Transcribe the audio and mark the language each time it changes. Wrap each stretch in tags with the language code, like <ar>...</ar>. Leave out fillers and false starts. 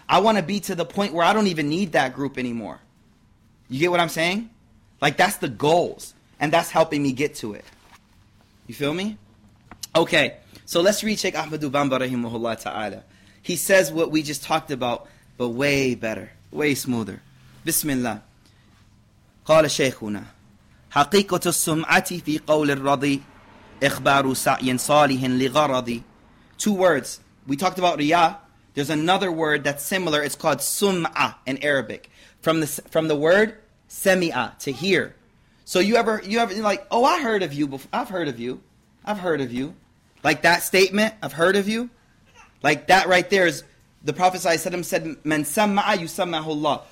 <en>I want to be to the point where I don't even need that group anymore. You get what I'm saying? Like, that's the goals. And that's helping me get to it. You feel me? Okay. So let's read Sheikh Ahmad Ubamba rahimahullah ta'ala. He says what we just talked about, but way better, way smoother. Bismillah.</en> <ar>قال شيخنا حقيقة السمعة في قول الرضي إخبار سعي صالح لغرضي.</ar> <en>Two words. We talked about riya. There's another word that's similar. It's called sum'a in Arabic. From the word semi'a, to hear. So you ever you're like, oh, I heard of you before. I've heard of you. Like that statement, I've heard of you. Like that right there is the Prophet said,</en> <ar>man sam'a yusamma'hu Allah.</ar>